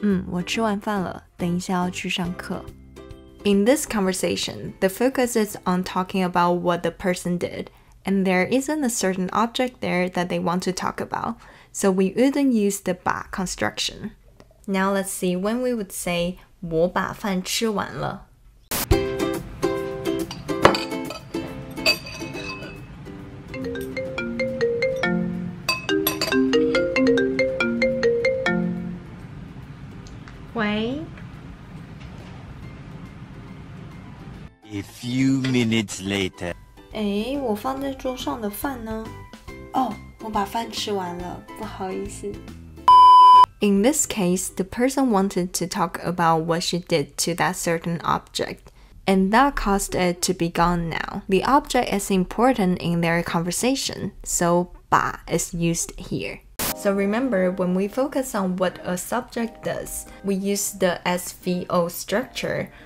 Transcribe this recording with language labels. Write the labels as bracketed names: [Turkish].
[Chinese] 我吃完饭了，等一下要去上课。 [English] In this conversation, the focus is on talking about what the person did, and there isn't a certain object there that they want to talk about, so we wouldn't use the 把 construction. Now let's see when we would say [Chinese] 我把饭吃完了。喂。 [English] A few minutes later. [Chinese] 诶，我放在桌上的饭呢？哦，我把饭吃完了，不好意思。 [English] In this case, the person wanted to talk about what she did to that certain object, and that caused it to be gone now. The object is important in their conversation, so 把 is used here. So remember, when we focus on what a subject does, we use the SVO structure.